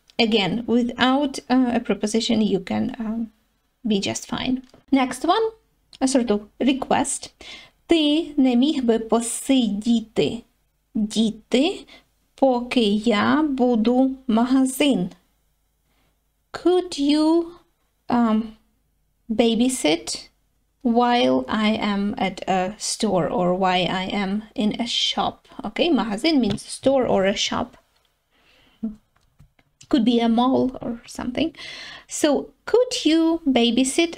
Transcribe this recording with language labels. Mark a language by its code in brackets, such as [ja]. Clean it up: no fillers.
[en] Again, without a preposition, you can be just fine. Next one, a sort of request. [uk] Ти не міг би посидіти діти, поки я буду магазин? [en] Could you babysit while I am at a store or while I am in a shop. Okay, magazin means store or a shop. Could be a mall or something. So, could you babysit?